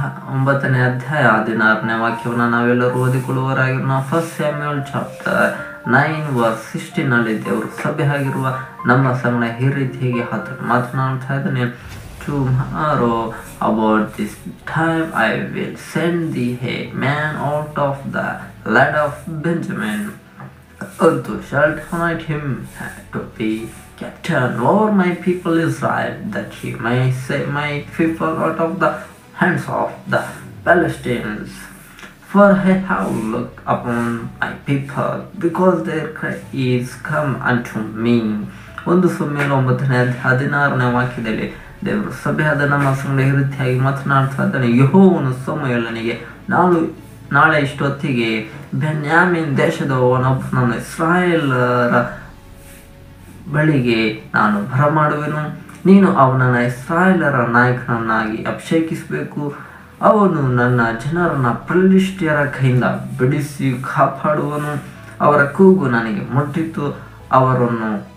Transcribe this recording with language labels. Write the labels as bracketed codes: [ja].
[kn] 1 Samuel 9:16 ವಾಕ್ಯವನ್ನು ನಾವೆಲ್ಲರೂ ಓದಿಕೊಳ್ಳುವರಾಗಿರೋಣ. 1 Samuel 9:16 ದೇವರು ಸಭೆ ಆಗಿರುವ ನಮ್ಮ ಸಂಗಡ ಈ ರೀತಿಯಾಗಿ ಹತ್ತಿರ ಮಾತನಾಡ್ತಾ ಇದ್ದೇನೆ. [en] Tomorrow about this time I will send thee a man out of the land of Benjamin, and thou shalt anoint him to be captain over my people Israel, that he may save my people out of the hands of the Philistines. For I have looked upon my people because their cry is come unto me. [kn] 1 Samuel 9:16 ವಾಕ್ಯದಲ್ಲಿ ದೇವರು ಸಭೆಯಾದ ನಮ್ಮ ಸಂಗಡ ಈ ರೀತಿಯಾಗಿ ಮಾತನಾಡ್ತಾ ಇದ್ದಾನೆ. ಯೆಹೋವನು ಸಮುವೇಲನಿಗೆ, ನಾಳೆ ಇಷ್ಟೊತ್ತಿಗೆ ಬೆನ್ಯಾಮಿನ್ ದೇಶದವನೊಬ್ಬನನ್ನು ಇಸ್ರಾಯೇಲರ ಬಳಿಗೆ ನಾನು ಬರಮಾಡುವೆನು, ನೀನು ಅವನನ್ನು ಇಸ್ರಾಯೇಲರ ನಾಯಕನನ್ನಾಗಿ ಅಭಿಷೇಕಿಸಬೇಕು, ಅವನು ನನ್ನ ಜನರನ್ನು ಫಿಲಿಸ್ಟಿಯರ ಕೈಯಿಂದ ಬಿಡಿಸಿ ಕಾಪಾಡುವನು, ಅವರ ಕೂಗು ನನಗೆ ಮುಟ್ಟಿತ್ತು, ಅವರನ್ನು